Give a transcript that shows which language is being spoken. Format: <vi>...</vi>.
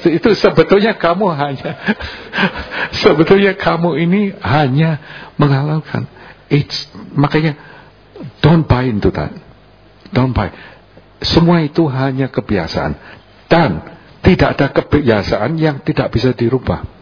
<id>Itu sebetulnya kamu hanya, sebetulnya kamu ini hanya menghalalkan.</id> <en>It's,</en> <id>makanya,</id> <en>don't buy into that. Don't buy.</en> <id>Semua itu hanya kebiasaan. Dan, tidak ada kebiasaan yang tidak bisa dirubah.</id>